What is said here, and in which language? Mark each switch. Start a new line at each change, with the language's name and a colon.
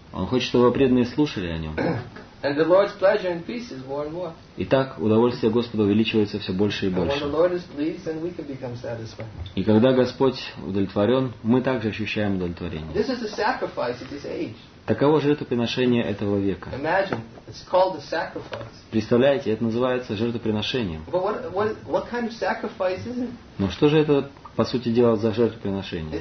Russian: Он хочет, чтобы его преданные слушали о нем.
English: And the Lord's pleasure and peace is more and more.
Russian: Итак, удовольствие Господа увеличивается все больше и больше.
English: And when the Lord is pleased, then we can become satisfied.
Russian: И когда Господь удовлетворен, мы также ощущаем удовлетворение.
English: This is the sacrifice of this age.
Russian: Таково жертвоприношение этого века.
English: Imagine, it's called the sacrifice.
Russian: Представляете, это называется жертвоприношением.
English: But what kind of sacrifice is it?
Russian: Но что же это, по сути дела, за жертвоприношение?